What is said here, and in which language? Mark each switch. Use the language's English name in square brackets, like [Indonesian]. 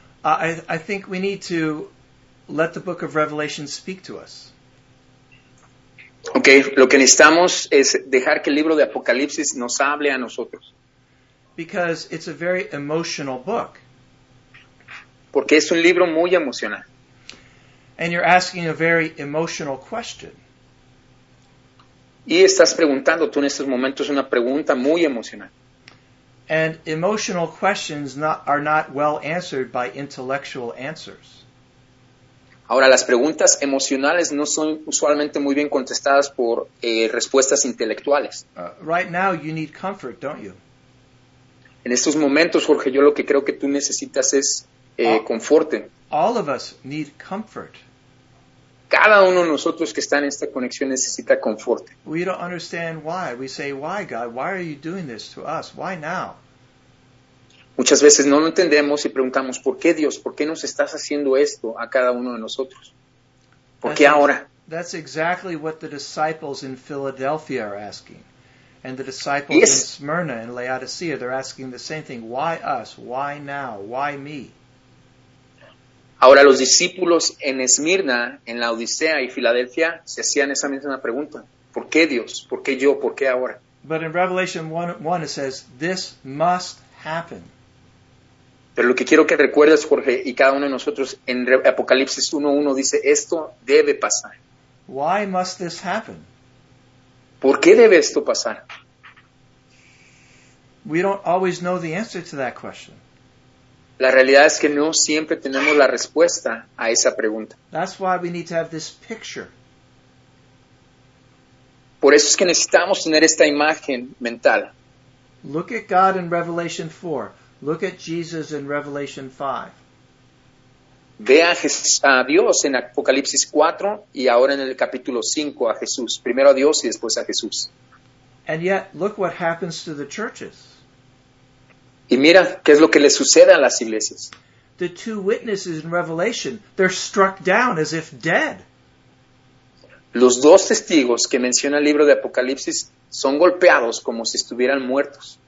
[English] I think we need to let the book of Revelation speak to us. [Spanish] Okay, lo que necesitamos es dejar que el libro de Apocalipsis nos hable a nosotros. [English] Because it's a very emotional book. [Spanish] Porque es un libro muy emocional. [English] And you're asking a very emotional question. [Spanish] Y estás preguntando tú en estos momentos una pregunta muy emocional. [English] And emotional questions are not well answered by intellectual answers. [Spanish] Ahora, las preguntas emocionales no son usualmente muy bien contestadas por respuestas intelectuales. [English] Right now you need comfort, don't you? [Spanish] En estos momentos, Jorge, yo lo que creo que tú necesitas es conforte. [English] All of us need comfort. [Spanish] Cada uno de nosotros que está en esta conexión necesita conforte. [English] We don't understand why. We say, why, God? Why are you doing this to us? Why now? [Spanish] Muchas veces no lo entendemos y preguntamos, ¿por qué Dios? ¿Por qué nos estás haciendo esto a cada uno de nosotros? ¿Por qué ahora? [English] That's exactly what the disciples in Philadelphia are asking. And the disciples in Smyrna and Laodicea, they're asking the same thing. Why us? Why now? Why me? [Spanish] Ahora los discípulos en Esmirna, en Laodicea y Filadelfia, se hacían esa misma pregunta. ¿Por qué Dios? ¿Por qué yo? ¿Por qué ahora? [English] But in Revelation 1:1 it says, this must happen. [Spanish] Pero lo que quiero que recuerdes, Jorge, y cada uno de nosotros, en Apocalipsis 1:1 dice, esto debe pasar. [English] Why must this happen? [Spanish] ¿Por qué debe esto pasar? [English] We don't always know the answer to that question. [Spanish] La realidad es que no siempre tenemos la respuesta a esa pregunta. [English] That's why we need to have this picture. [Spanish] Por eso es que necesitamos tener esta imagen mental. [English] Look at God in Revelation 4. Look at Jesus in Revelation 5. [Spanish] Ve a Jesús, a Dios en Apocalipsis 4 y ahora en el capítulo 5 a Jesús. Primero a Dios y después a Jesús. [English] And yet, look what happens to the churches. [Spanish] Y mira qué es lo que le sucede a las iglesias. [English] The two witnesses in Revelation, they're struck down as if dead. [Spanish] Los dos testigos que menciona el libro de Apocalipsis son golpeados como si estuvieran muertos.